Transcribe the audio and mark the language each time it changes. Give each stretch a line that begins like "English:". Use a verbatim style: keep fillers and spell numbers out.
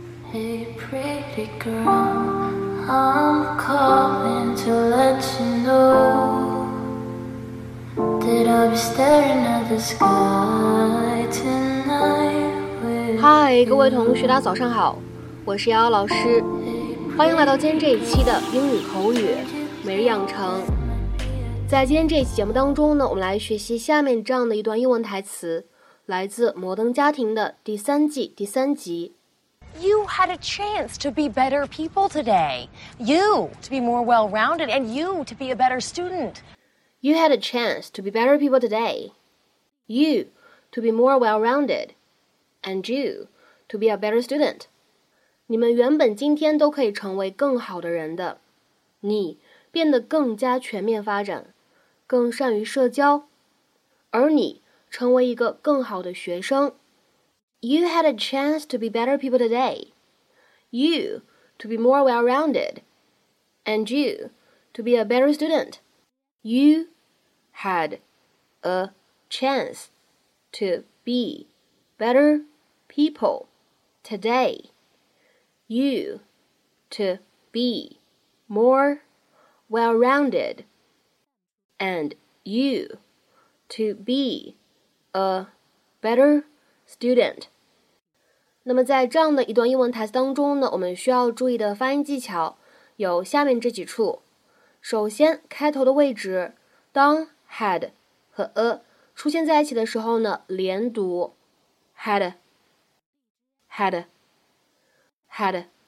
English: Hey pretty girl, I'm calling to let you know that I'll be staring at the sky tonight.
Chinese: Hi， 各位同学，大家早上好，我是瑶瑶老师，欢迎来到今天这一期的英语口语每日养成。在今天这一期节目当中呢，我们来学习下面这样的一段英文台词，来自《摩登家庭》的第三季第三集。
English: You had a chance to be better people today. You to be more well-rounded and you to be a better student. You had a chance to be better people today. You to be more well-rounded and you to be a better student.
Chinese: 你们原本今天都可以成为更好的人的。你变得更加全面发展，更善于社交，而你成为一个更好的学生。
English: You had a chance to be better people today. You to be more well-rounded. And you to be a better student. You had a chance to be better people today. You to be more well-rounded. And you to be a better student.
Chinese: 那么在这样的一段英文台词当中呢，我们需要注意的发音技巧有下面这几处。首先，开头的位置，当 had 和 a 出现在一起的时候呢，连读 had had had。